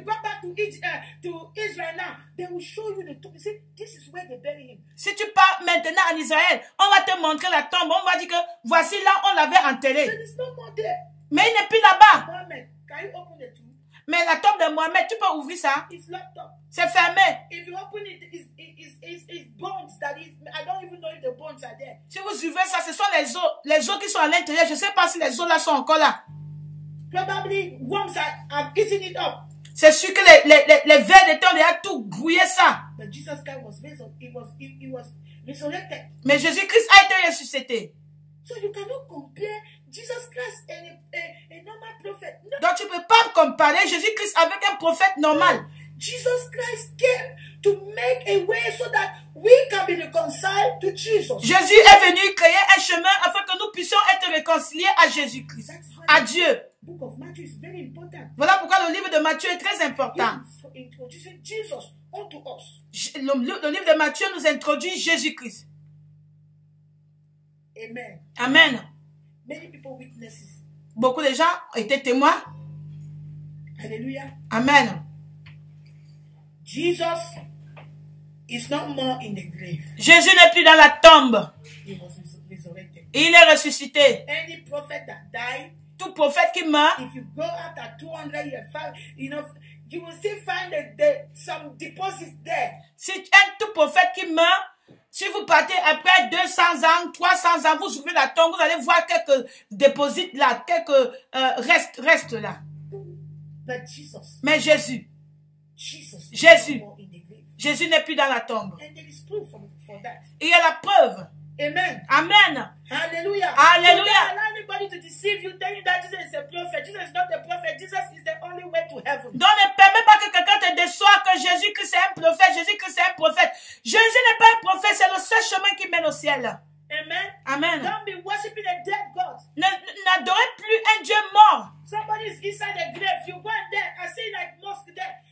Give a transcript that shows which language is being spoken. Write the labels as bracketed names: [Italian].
[English] If you go back to Israel now, they will show you the tomb. See, this is where they buried him. [French] Si tu pars maintenant en Israël, on va te montrer la tombe, on va dire que voici là on l'avait enterré. Mais il n'est plus là-bas. [English] Mohammed, can you open the tomb? [French] Mais la tombe de Mohammed, tu peux ouvrir ça? [English] It's locked up. [French] C'est fermé. [English] If you open it, it's bones that is. I don't even know if the bones are there. [French] Si vous ouvrez ça, ce sont les os qui sont à l'intérieur. Je ne sais pas si les os là sont encore là. [English] Probably worms have eaten it up. [French] C'est sûr que les vers de terre ont tout grouillé ça. [English] But Jesus Christ was raised. He was resurrected. [French] Mais Jésus-Christ a été ressuscité. [English] So you cannot compare Jesus Christ and a normal prophet. No. [French] Donc tu peux pas comparer Jésus-Christ avec un prophète normal. [English] No. Jesus Christ came to make a way so that we can be reconciled to Jesus. [French] Jésus est venu créer un chemin afin que nous puissions être réconciliés à Jésus-Christ, à Dieu. [English] Book of Matthew is very important. [French] Voilà pourquoi le livre de Matthieu est très important. [English] Introducing Jesus unto us. [French] Le livre de Matthieu nous introduit Jésus-Christ. Amen. Amen. [English] Many people witnesses. [French] Beaucoup de gens étaient témoins. Alléluia. Amen. [English] Jesus is not more in the grave. [French] Jésus n'est plus dans la tombe. [English] He was resurrected. [French] Il est ressuscité. [English] Any prophet that died, [French] tout prophète qui meurt, [English] if you go out at 200 years, you know, you will still find that some deposits there. [French] Si un tout prophète qui meurt, si vous partez après 200 ans, 300 ans, vous ouvrez la tombe, vous allez voir quelques déposites là, quelques restes là. [English] But Jesus. [French] Mais Jésus. Jesus. Jésus. Jésus n'est plus dans la tombe. [English] And there is proof for that. [French] Il y a la preuve. Amen. Amen. Hallelujah. Hallelujah. [English] Don't allow anybody to deceive you, telling that Jesus is a prophet. Jesus is not a prophet. Jesus is the only way to heaven. [French] Donc ne permets pas que quelqu'un te déçoive que Jésus que c'est un prophète. Jésus que c'est un prophète. Jésus n'est pas un prophète. C'est le seul chemin qui mène au ciel. Amen. Amen. [English] Don't be worshiping a dead god. [French] N'adorez plus un dieu mort. [English] Somebody is inside a grave. You go there. I see like most there.